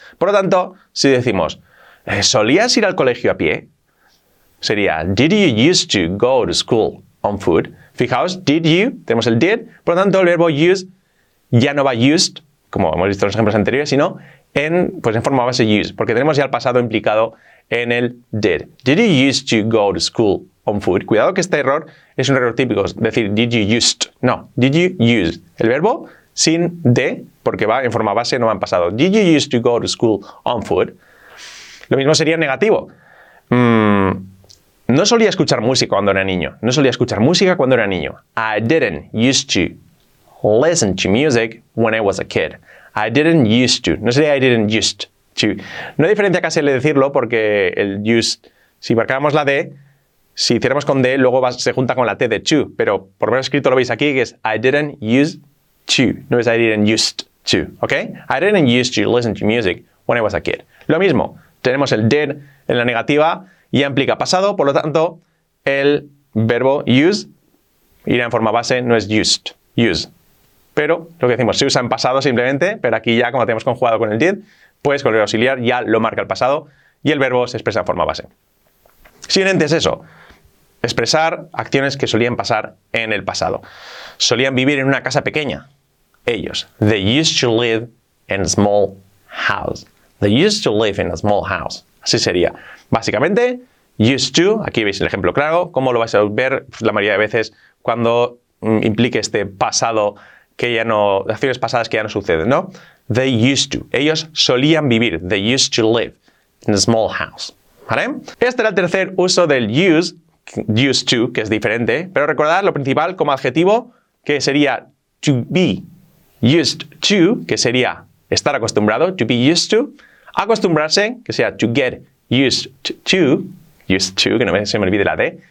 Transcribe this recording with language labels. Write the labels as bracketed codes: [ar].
[es] Por lo tanto, si decimos, ¿solías ir al colegio a pie? Sería, [en] ¿did you used to go to school on foot? [es] Fijaos, [en] did you, [es] tenemos el did. Por lo tanto, el verbo use ya no va used, como hemos visto en los ejemplos anteriores, sino en, pues en forma base use, porque tenemos ya el pasado implicado en el did. [en] Did you used to go to school on foot? [es] Cuidado que este error es un error típico, es decir, [en] did you used. No, did you use. [es] El verbo sin de, porque va en forma base, no va en pasado. [en] Did you used to go to school on foot? [es] Lo mismo sería negativo. No solía escuchar música cuando era niño. No solía escuchar música cuando era niño. [en] I didn't used to listen to music when I was a kid. I didn't used to. [es] No sería [en] I didn't used to. [es] No hay diferencia casi al decirlo porque el used, si marcáramos la D, si hiciéramos con D, luego se junta con la T de to. Pero por lo menos escrito lo veis aquí, que es [en] I didn't used to. [es] No es [en] I didn't used to. ¿Ok? I didn't used to listen to music when I was a kid. [es] Lo mismo. Tenemos el did en la negativa y ya implica pasado. Por lo tanto, el verbo use irá en forma base, no es used. Use. Pero lo que decimos, se usa en pasado simplemente, pero aquí ya como tenemos conjugado con el did, pues con el auxiliar ya lo marca el pasado y el verbo se expresa en forma base. Siguiente es eso, expresar acciones que solían pasar en el pasado. Solían vivir en una casa pequeña, ellos. [en] They used to live in a small house. They used to live in a small house. [es] Así sería. Básicamente, used to, aquí veis el ejemplo claro, como lo vais a ver la mayoría de veces cuando implique este pasado que ya no, acciones pasadas que ya no suceden, ¿no? [en] They used to. [es] Ellos solían vivir. [en] They used to live in a small house. [es] ¿Vale? Este era el tercer uso del used to, que es diferente. Pero recordad lo principal como adjetivo, que sería [en] to be used to, [es] que sería estar acostumbrado, to be used to. Acostumbrarse, que sea [en] to get used to, [es] que no me, se me olvide la D.